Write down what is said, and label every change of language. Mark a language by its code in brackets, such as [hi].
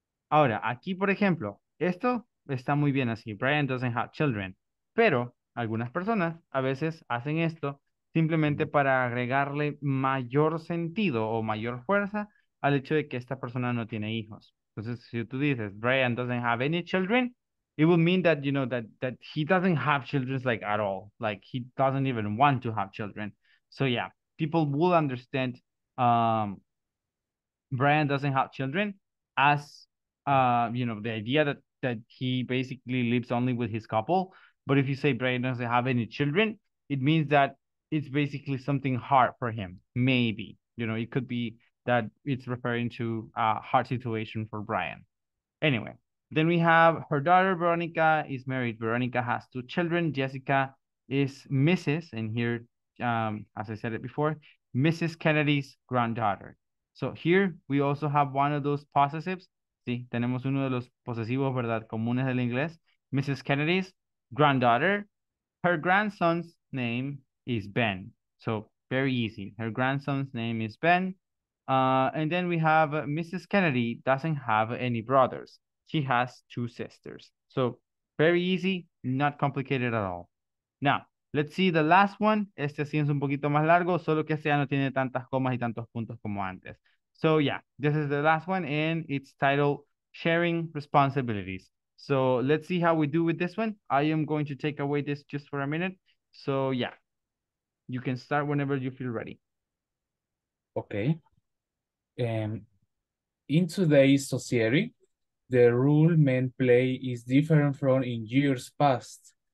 [es] Ahora, aquí, por ejemplo, esto está muy bien así. [en] Brian doesn't have children. [es] Pero algunas personas a veces hacen esto simplemente para agregarle mayor sentido o mayor fuerza al hecho de que esta persona no tiene hijos. Entonces, si tú dices, [en] Brian doesn't have any children, it would mean that, you know, that he doesn't have children, like, at all. Like, he doesn't even want to have children. So, yeah, people will understand Brian doesn't have children as, you know, the idea that he basically lives only with his couple. But if you say Brian doesn't have any children, it means that it's basically something hard for him. Maybe, you know, it could be that it's referring to a hard situation for Brian. Anyway, then we have her daughter, Veronica, is married. Veronica has two children. Jessica is Mrs., and here, as I said it before, Mrs. Kennedy's granddaughter. So here we also have one of those possessives. [es] Sí, tenemos uno de los posesivos, ¿verdad?, comunes del inglés. [en] Mrs. Kennedy's granddaughter. Her grandson's name is Ben. So very easy. Her grandson's name is Ben. And then we have Mrs. Kennedy doesn't have any brothers. She has two sisters. So very easy, not complicated at all. Now, let's see the last one. [es] Este sí es un poquito más largo, solo que este ya no tiene tantas comas y tantos puntos como antes. [en] So yeah, this is the last one and it's titled Sharing Responsibilities. So let's see how we do with this one. I am going to take away this just for a minute. So yeah, you can start whenever you feel ready. Okay. In today's society, the role men play is different from in years past.